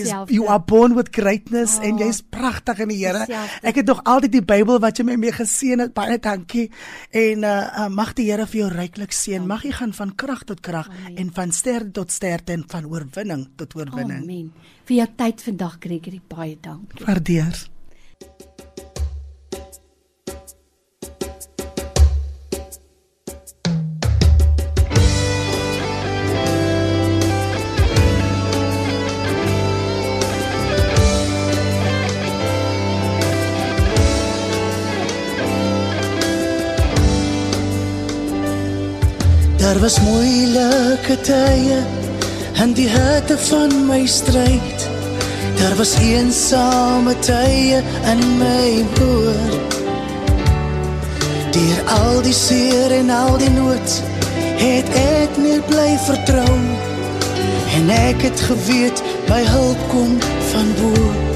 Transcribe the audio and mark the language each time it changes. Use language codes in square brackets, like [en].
[en] You are born with greatness [af] en jy is prachtig in die Here. Ek het nog altyd die Bybel wat jy mee geseen het. Baie dankie. En mag die Here vir jou ryklik seën. Mag jy gaan van kracht tot kracht en van sterkte tot sterkte en van oorwinning tot oorwinning. Amen. Vir jou tyd vandag, Gregory, baie dank. Waardeer. Daar was moeilike tye en die hitte van my stryd. Daar was eensame tye in my boer. Deur al die seer en al die nood het ek nie bly vertrou. En ek het geweet my hulp kom van bo.